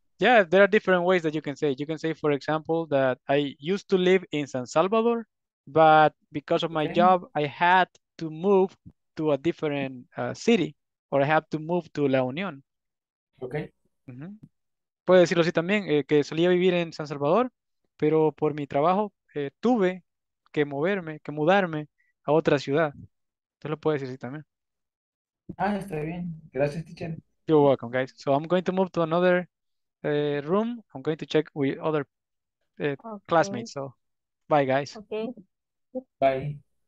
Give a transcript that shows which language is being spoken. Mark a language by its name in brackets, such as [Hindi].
[English] Yeah, there are different ways that you can say. You can say, for example, that I used to live in San Salvador, but because of my job, I had to move to a different city, or I have to move to La Unión. Okay. Mm-hmm. [Spanish] Puedo decirlo así también, que solía vivir en San Salvador, pero por mi trabajo tuve que moverme, que mudarme a otra ciudad. Tú lo puedes decir así también. Ah, está bien. Gracias, teacher. [English] You're welcome, guys. So I'm going to move to another room. I'm going to check with other classmates. So bye, guys. Okay. Bye.